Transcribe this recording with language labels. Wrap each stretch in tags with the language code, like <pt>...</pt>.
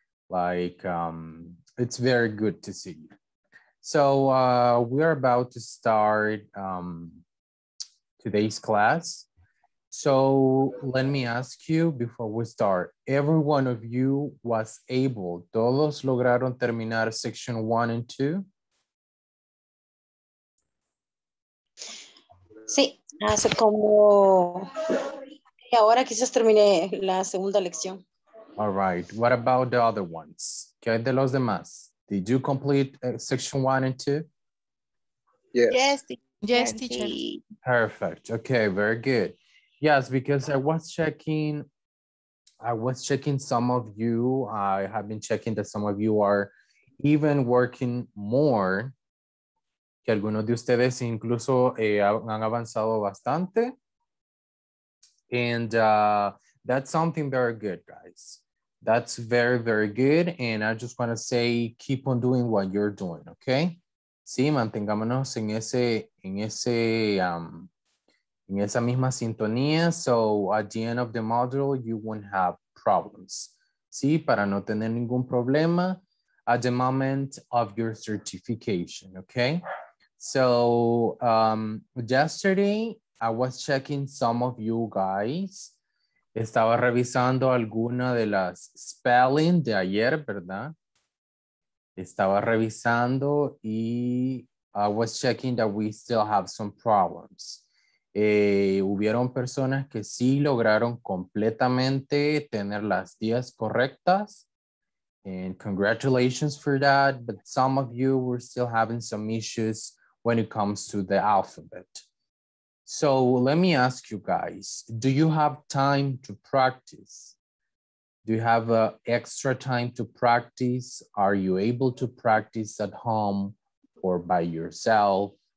<en>Like, it's very good to see you. So we are about to start today's class. So let me ask you before we start, every one of you was able,</en> <es>todos lograron terminar</es> <en>section 1 and 2?</en> <es>Sí, hace como ahora quizás terminé la segunda lección.</es> <en>All right, what about the other ones?</en> <es>¿Qué de los demás?</es> <en>Did you complete section 1 and 2? Yes, teacher. Perfect, okay, very good. Yes, because I was checking some of you. I have been checking that some of you are even working more.</en> <es>Que algunos de ustedes incluso han avanzado bastante.</es> <en>And that's something very good, guys. That's very, very good. And I just want to say, keep on doing what you're doing, okay?</en> <es>Sí, mantengámonos en esa misma sintonía.</es> <en>So at the end of the module, you won't have problems.</en> <es>Sí, para no tener ningún problema</es> <en>at the moment of your certification, okay? So yesterday, I was checking some of you guys.</en> <es>Estaba revisando alguna de las spelling de ayer, ¿verdad? Estaba revisando y</es> <en>I was checking that we still have some problems.</en> <es>Hubieron personas que sí lograron completamente tener las 10 correctas.</es> <en>And congratulations for that. But some of you were still having some issues when it comes to the alphabet. So let me ask you guys, do you have time to practice? Do you have extra time to practice? Are you able to practice at home or by yourself?</en>